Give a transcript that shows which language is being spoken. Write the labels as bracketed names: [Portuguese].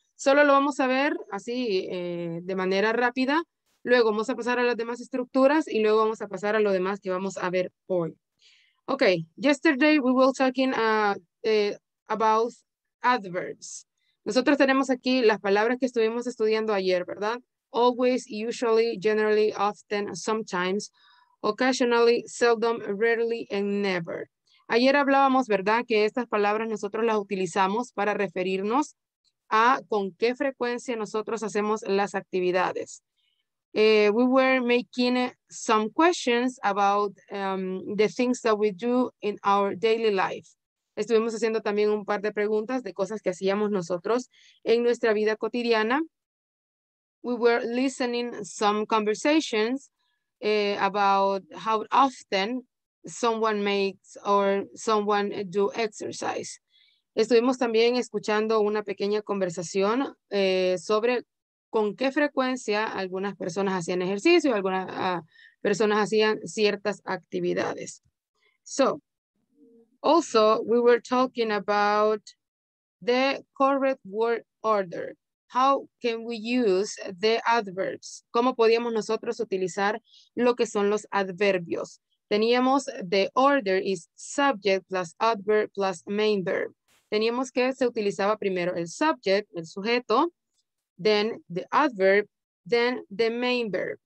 [Spanish] Solo lo vamos a ver así de manera rápida. Luego vamos a pasar a las demás estructuras y luego vamos a pasar a lo demás que vamos a ver hoy. [English] Okay, yesterday we were talking about adverbs. [Spanish] Nosotros tenemos aquí las palabras que estuvimos estudiando ayer, ¿verdad? [English] Always, usually, generally, often, sometimes, occasionally, seldom, rarely, and never. [Spanish] Ayer hablábamos, ¿verdad? Que estas palabras nosotros las utilizamos para referirnos a con qué frecuencia nosotros hacemos las actividades. [English] We were making some questions about the things that we do in our daily life. [Spanish] Estuvimos haciendo también un par de preguntas de cosas que hacíamos nosotros en nuestra vida cotidiana. [English] We were listening some conversations about how often someone makes or someone do exercise. [Spanish] Estuvimos también escuchando una pequeña conversación sobre con qué frecuencia algunas personas hacían ejercicio, algunas personas hacían ciertas actividades. [English] So, also, we were talking about the correct word order. How can we use the adverbs? [Spanish] ¿Cómo podíamos nosotros utilizar lo que son los adverbios? Teníamos [English] the order is subject plus adverb plus main verb. [Spanish] Teníamos que se utilizaba primero el subject, el sujeto, [English] then the adverb, then the main verb.